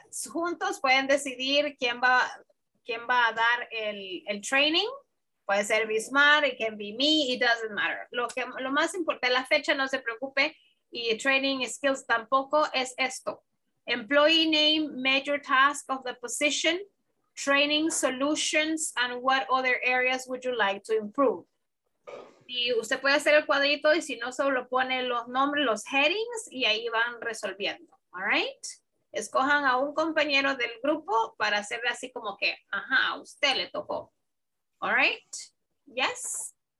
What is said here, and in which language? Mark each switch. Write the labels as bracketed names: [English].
[Spanish] Juntos pueden decidir quién va a dar el training. Puede ser Bismar, [English] it can be me, it doesn't matter. [Spanish] Lo más importante, la fecha, no se preocupe, y training skills tampoco, es esto. [English] Employee name, major task of the position, training solutions, and what other areas would you like to improve? [Spanish] Y usted puede hacer el cuadrito y si no, solo pone los nombres, los headings, y ahí van resolviendo. All right? Escojan a un compañero del grupo para hacerle así como que, ajá, usted le tocó. [English] All right? Yes?